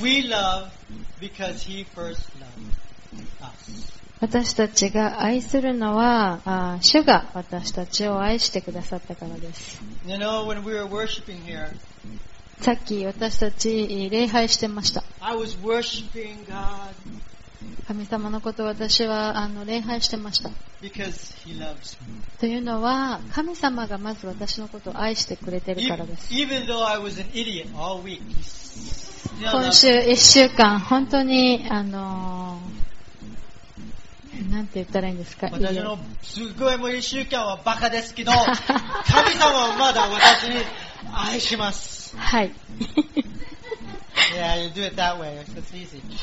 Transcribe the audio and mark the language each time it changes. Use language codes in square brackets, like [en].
[en] We love because he first loved us. [ja] 私たちが愛するのは、主が私たちを愛してくださったからです。 [en] You know, when we were worshiping here, [ja] さっき私たち礼拝してました。 [en] I was worshiping God. [ja] 神様のことを私は礼拝してました。 [en] Because he loves me. [ja] というのは、神様がまず私のことを愛してくれてるからです。 [en] Even though I was an idiot all week, he still loves me. [ja] 今週一週間、本当に、なんて言ったらいいんですか。私のすごいもう一週間はバカですけど、神様はまだ私に愛します。はい。 [en] Yeah, you do it that way. It's easy.